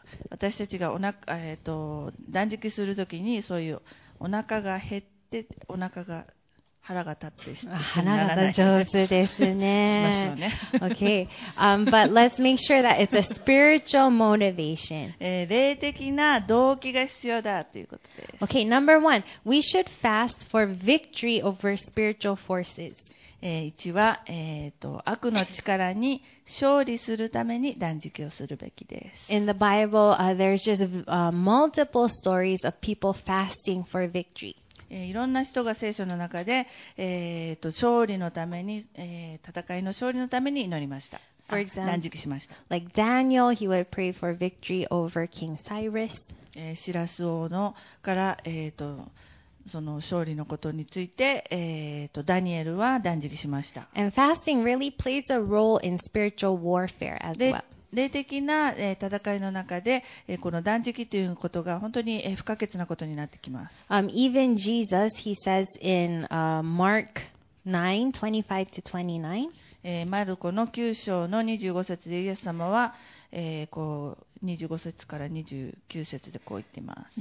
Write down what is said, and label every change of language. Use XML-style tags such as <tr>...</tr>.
<ja>私たちがお腹、断食するときにそういうお腹が減って、お腹が腹が立ってしまう。腹が上手ですね。しましょうね。</ja> <en>OK。 But let's make sure that it's a spiritual motivation.</en> <ja>霊的な動機が必要だということです。</ja> <en>OK。 Number one, we should fast for victory over spiritual forces.</en> <ja>一は、悪の力に勝利するために断食をするべきです。</ja> <en>In the Bible, there's just multiple stories of people fasting for victory.</en> <ja>いろんな人が聖書の中で、勝利のために、戦いの勝利のために祈りました。</ja> <en>For example,</en> <ja>断食しました。</ja> <en>Like Daniel, he would pray for victory over King Cyrus.</en> <ja>シラス王のから、その勝利のことについて、ダニエルは断食しました。</ja> <en>And fasting really plays a role in spiritual warfare as well.</en> <ja>霊的な戦いの中でこの断食ということが本当に不可欠なことになってきます。</ja> <en>Even Jesus, he says in Mark 9:25-29,</en> <ja>マルコの9章の25節でイエス様は、こう25節から29節でこう言っています。</ja>